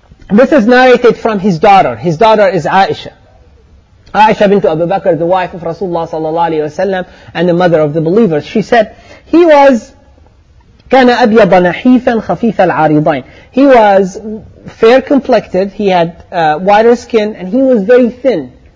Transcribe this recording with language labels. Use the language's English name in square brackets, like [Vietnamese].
[English] This is narrated from his daughter. His daughter is Aisha. Aisha bint Abu Bakr, the wife of Rasulullah sallallahu alayhi wa sallam and the mother of the believers. She said, he was, [Arabic] كان أبيض نحيفا خفيف العارضين. [English] He was fair-complected, he had whiter skin, and he was very thin.